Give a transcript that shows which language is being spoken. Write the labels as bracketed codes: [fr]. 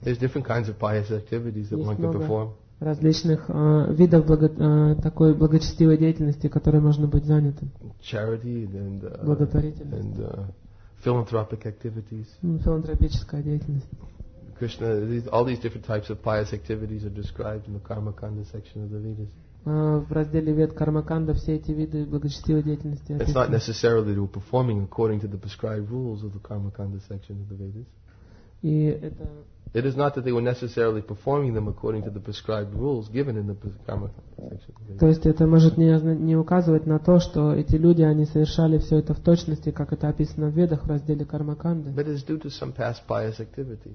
[en] There's different kinds of pious activities that one can perform. [ru] Различных видов такой благочестивой деятельности, которой можно быть занятым. [en] Charity and [ru] благотворительность. [en] And philanthropic activities. [ru] Филантропическая деятельность. [en] Krishna, all these different types of pious activities are described in the Karma Kanda section of the Vedas. [ru] В разделе Вед Кармаканда все эти виды благочестивой деятельности. [en] It's not necessarily to performing according to the prescribed rules of the Karma Kanda section of the Vedas. [ru] И это [en] it is not that they were necessarily performing them according to the prescribed rules given in the Karma section. [ru] То есть это может не указывать на то, что эти люди они совершали все это в точности, как это описано в ведах в разделе Кармаканды. [en] But it's due to some past pious activity.